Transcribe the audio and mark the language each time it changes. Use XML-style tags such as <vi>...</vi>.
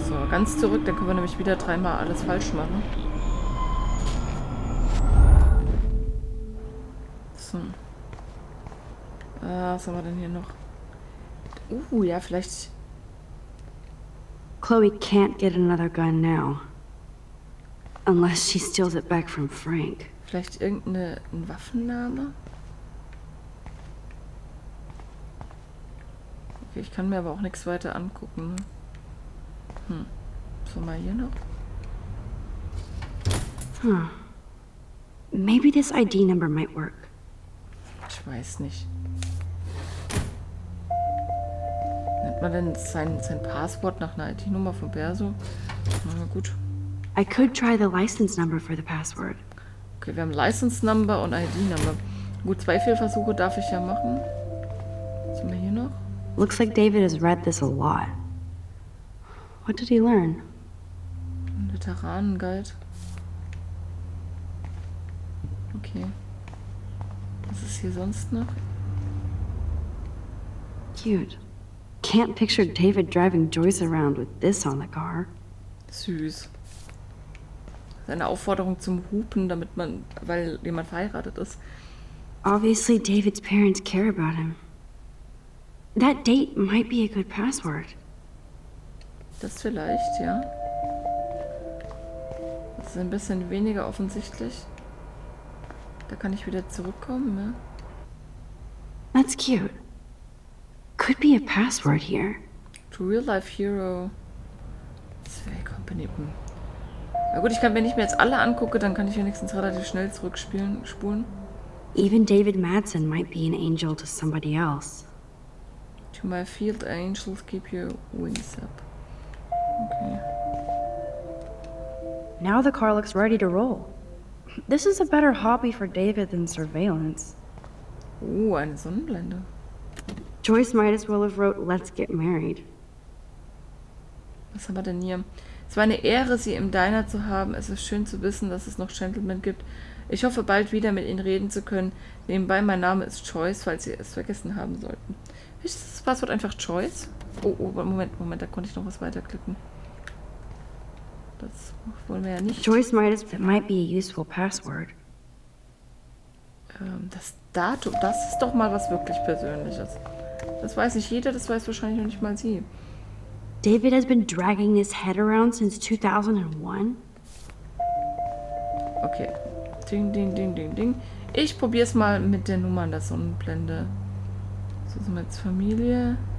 <de>Ganz zurück, dann können wir nämlich wieder dreimal alles falsch machen. So. Was haben wir denn hier noch? Ja, vielleicht.</de> <en>Chloe can't get another gun now. Unless she steals it back from Frank.</en> <de>Vielleicht irgendeine Waffenname? Okay, ich kann mir aber auch nichts weiter angucken. Hm. So, mal hier noch.</de> <en>Maybe this ID number might work.</en> <de>Ich weiß nicht. Nennt man denn sein Passwort nach einer ID-Nummer von Perso? Na gut.</de> <en>I could try the license number for the password.</en> <de>Okay, wir haben License Number und ID Number. Gut, zwei Fehlversuche darf ich ja machen. Was haben wir hier noch?</de> <en>Looks like David has read this a lot. What did he learn?</en> <de>Veteranenguide. Okay. Was ist hier sonst noch?</de> <en>Cute. Can't picture David driving Joyce around with this on the car.</en> <de>Süß. Seine Aufforderung zum Hupen, damit man, weil jemand verheiratet ist.</de> <en>Obviously David's parents care about him. That date might be a good password.</en> <de>Das vielleicht, ja. Das ist ein bisschen weniger offensichtlich. Da kann ich wieder zurückkommen, ne?</de> <en>That's cute. Could be a password here. To real life hero. Zwei Company.</en> <de>Na gut, ich kann, wenn ich mir jetzt alle angucke, dann kann ich wenigstens relativ schnell zurückspielen, spulen.</de> <en>Even David Madsen might be an angel to somebody else. To my field angels, keep your wings up. Okay. Now the car looks ready to roll. This is a better hobby for David than surveillance.</en> <de>Ooh, eine Sonnenblende.</de> <en>Joyce might as well have wrote, let's get married.</en> <de>Was haben wir denn hier? Es war eine Ehre, Sie im Diner zu haben. Es ist schön zu wissen, dass es noch Gentlemen gibt. Ich hoffe, bald wieder mit Ihnen reden zu können. Nebenbei, mein Name ist Joyce, falls Sie es vergessen haben sollten. Ist das Passwort einfach Joyce? Moment, da konnte ich noch was weiterklicken. Das wollen wir ja nicht.</de> <en>Joyce Myers, that might be a useful password.</en> <de>Das Datum, das ist doch mal was wirklich Persönliches. Das weiß nicht jeder, das weiß wahrscheinlich noch nicht mal sie.</de> <en>David has been dragging his head around since 2001.</en> <de>Okay. Ding, ding, ding, ding, ding. Ich probier's mal mit der Nummer an der Sonnenblende. So, sind wir jetzt Familie.</de>